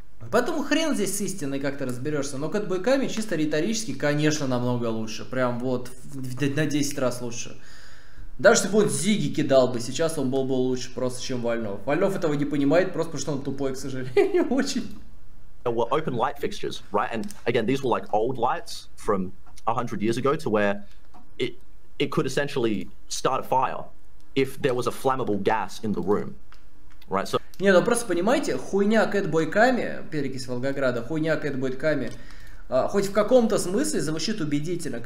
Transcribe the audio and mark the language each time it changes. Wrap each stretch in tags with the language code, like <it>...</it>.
<ru>Поэтому хрен здесь с истиной, как ты разберешься. Но кэтбойками чисто риторически, конечно, намного лучше. Прям вот на 10 раз лучше. Даже если бы он Зиги кидал бы, сейчас он был бы лучше просто, чем Вольнов. Вольнов этого не понимает, просто потому что он тупой, к сожалению, очень.</ru> <en>There were open light fixtures, right? And again, these were like old lights from 100 years ago to where it could essentially start a fire if there was a flammable gas in the room, right? So...</en> <ru>Не, ну просто понимаете, хуйня кэтбойками, перекись Волгограда, хуйня кэтбойками, хоть в каком-то смысле звучит убедительно.</ru>